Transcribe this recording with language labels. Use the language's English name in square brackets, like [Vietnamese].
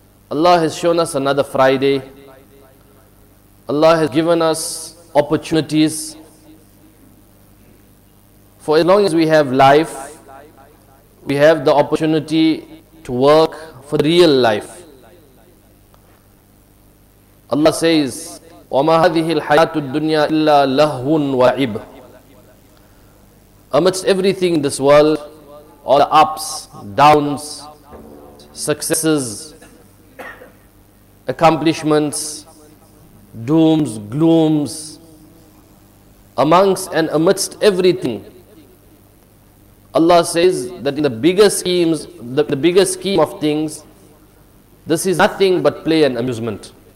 [English] Allah has shown us another Friday. Allah has given us opportunities. For as long as we have life, we have the opportunity to work for real life. Allah says, [Arabic] وَمَا هَذِهِ الْحَيَاةُ الدُّنْيَا إِلَّا لَهْوٌ وَعِبٌ. [English] Amidst everything in this world, all the ups, downs, successes, accomplishments, dooms, glooms, amongst and amidst everything, Allah says that in the bigger schemes, the bigger scheme of things, this is nothing but play and amusement.